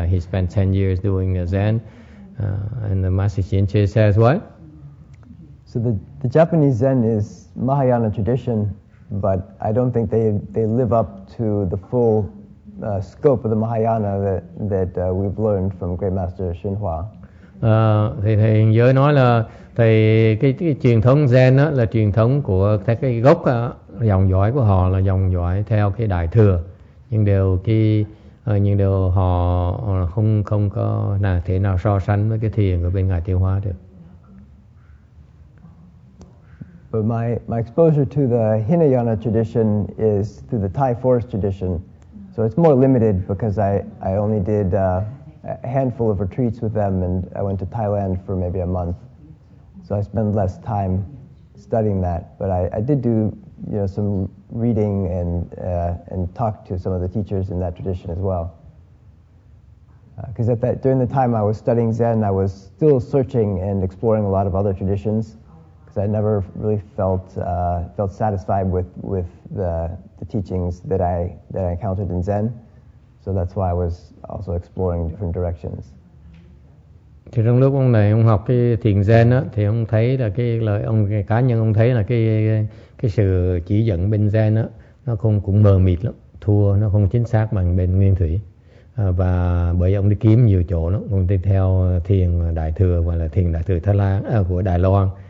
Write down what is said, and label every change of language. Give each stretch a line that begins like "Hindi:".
English: He spent 10 years doing Zen. And the Master Xianqie says what? So the Japanese Zen is Mahayana tradition, but I don't think they live up to the full scope of the Mahayana that we've learned from Great Master Xinhua.
Vietnamese: Thầy nhớ nói là thầy cái truyền thống Zen đó là truyền thống của cái gốc đó, dòng dõi của họ là dòng dõi theo cái đại thừa, nhưng đều cái nhưng đều họ không có nào thể nào so sánh với cái thiền của bên ngài Tiêu Hóa được.
English: But my exposure to the Hinayana tradition is through the Thai forest tradition, so it's more limited because I only did a handful of retreats with them, and I went to Thailand for maybe a month, so I spend less time studying that. But I did do, you know, some reading and talk to some of the teachers in that tradition as well. Because during the time I was studying Zen, I was still searching and exploring a lot of other traditions, because I never really felt satisfied with the teachings that I encountered in Zen. So that's why I was also exploring different directions.
Vietnamese: Thì trong lúc ông này ông học cái thiền Zen á, thì ông thấy là cái sự chỉ dẫn bên Zen á, nó cũng mờ mịt lắm, thua, nó không chính xác bằng bên Nguyên Thủy. Và bởi ông đi kiếm nhiều chỗ lắm, ông đi theo thiền Đại Thừa hoặc là thiền Đại Thừa Thái Lan, của Đài Loan.